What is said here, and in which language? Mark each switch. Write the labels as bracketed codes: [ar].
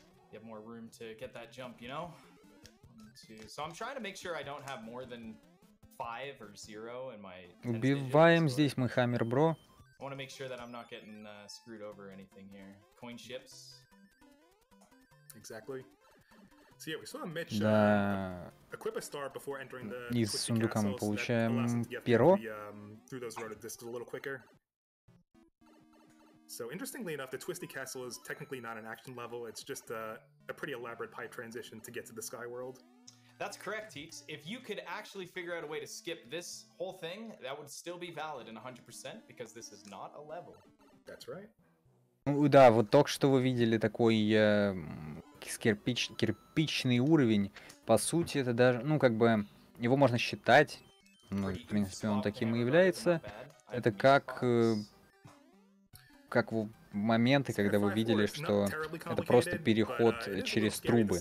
[en] You have more room to get that jump, you know? So I'm trying to make sure I don't have more than 5 or 0 in my... [ru] Убиваем здесь мы Hammer Bro. [en] I want to make sure that I'm not getting screwed over anything here. Coin ships. Exactly. So yeah, we saw Mitch equip a star before entering the... [ru] Из сундука мы получаем перо. [en] Through those rotor discs a little quicker. So interestingly enough, the Twisty Castle is technically not an action level. It's just a pretty elaborate pipe transition to get to the Sky World. That's correct, Teeks. If you could actually figure out a way to skip this whole thing, that would still be valid in 100%, because this is not a level. That's right. [ru] Ну да, вот только что вы видели такой кирпичный уровень. По сути, это даже, ну как бы, его можно считать, ну, в принципе, он таким и является. Это как... как моменты, когда вы видели, что это просто переход через трубы.